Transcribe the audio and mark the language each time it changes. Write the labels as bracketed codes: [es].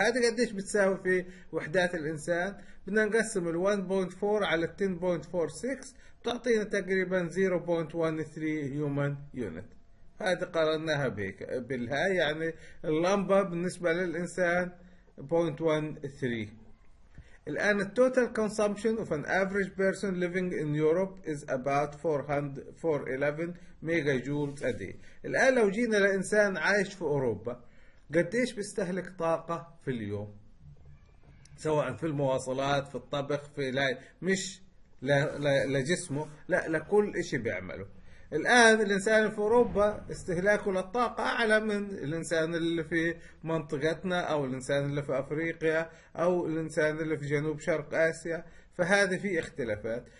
[ar] هذا قديش بتساوي في وحدات الإنسان؟ بدنا نقسم ال 1.4 على 10.46 بتعطينا تقريبا 0.13 human unit. هذه قارناها بهيك بالهاي، يعني اللمبة بالنسبة للإنسان 0.13. الآن ال [en] total consumption of an average person living in Europe is about 411 megajoule a day. [ar] الآن لو جينا لإنسان عايش في أوروبا قديش بيستهلك طاقة في اليوم؟ سواء في المواصلات، في الطبخ، في لا مش لا لا لجسمه، لا لكل اشي بيعمله. الآن الإنسان في أوروبا استهلاكه للطاقة أعلى من الإنسان اللي في منطقتنا أو الإنسان اللي في أفريقيا أو الإنسان اللي في جنوب شرق آسيا، فهذا في اختلافات.